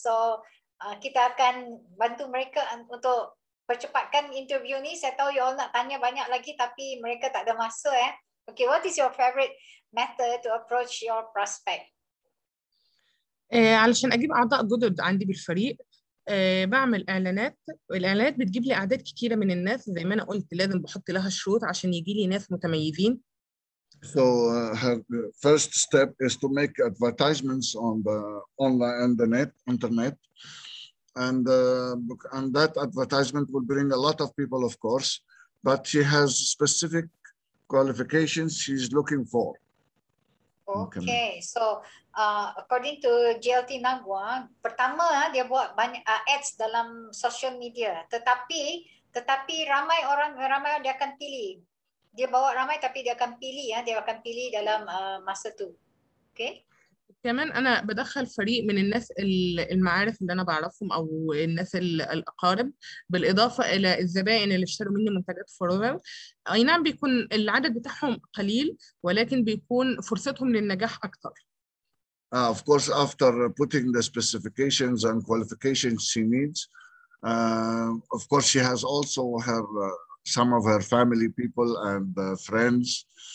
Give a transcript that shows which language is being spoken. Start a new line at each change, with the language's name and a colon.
Malay: So kita akan bantu mereka untuk percepatkan interview ni. Saya tahu you all nak tanya banyak lagi tapi mereka tak ada masa.
English: Okay, what is your favorite method to approach your prospect?
Arabic: علشان اجيب اعضاء جدد عندي بالفريق بعمل اعلانات، والاعلانات بتجيب لي اعداد كتيره من الناس زي ما انا قلت لازم بحط لها شروط عشان يجي لي ناس متميزين.
English: So her first step is to make advertisements on the online and the net internet and and that advertisement will bring a lot of people of course, but she has specific qualifications she's looking for. Okay, so according to
Malay: GLT Nagwa, pertama dia buat banyak ads dalam social media. Tetapi ramai orang, ramai dia akan pilih. Dia bawa ramai tapi dia akan pilih, dia akan pilih dalam masa tu. Okay.
Arabic: كمان أنا بدخل فريق من الناس المعارف اللي أنا بعرفهم أو الناس الأقارب بالإضافة إلى الزبائن اللي اشتروا مني منتجات فورفر. أي نعم بيكون العدد بتاعهم قليل ولكن بيكون فرصتهم للنجاح أكتر.
English: Of course, after putting the specifications and qualifications she needs, of course she has also her some of her family people and friends.